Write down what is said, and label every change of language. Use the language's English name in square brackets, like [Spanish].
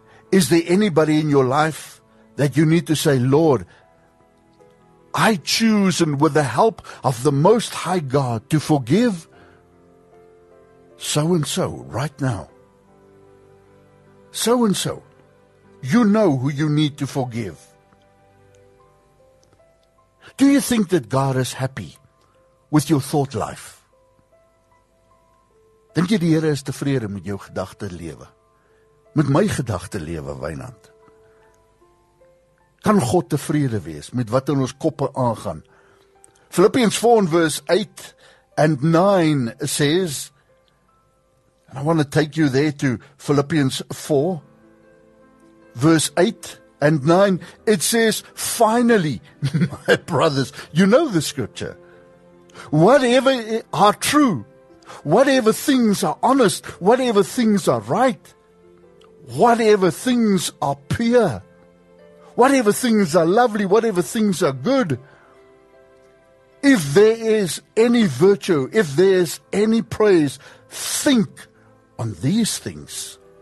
[English] Is there anybody in your life that you need to say, "Lord, I choose, and with the help of the Most High God, to forgive so-and-so right now." So-and-so, you know who you need to forgive. Do you think that God is happy with your thought life? [Afrikaans] Dink jy die Here is tevrede met jou gedagte lewe? Met my gedagte lewe, Wynand? Kan God tevrede wees met wat in ons koppe aangaan? [English] Philippians 4 and verse 8 and 9 says, and I want to take you there to Philippians 4, verse 8 and 9. It says, "Finally, my brothers," you know the scripture, "whatever are true, whatever things are honest, whatever things are right, whatever things are pure, whatever things are lovely, whatever things are good, if there is any virtue, if there is any praise, think on these things."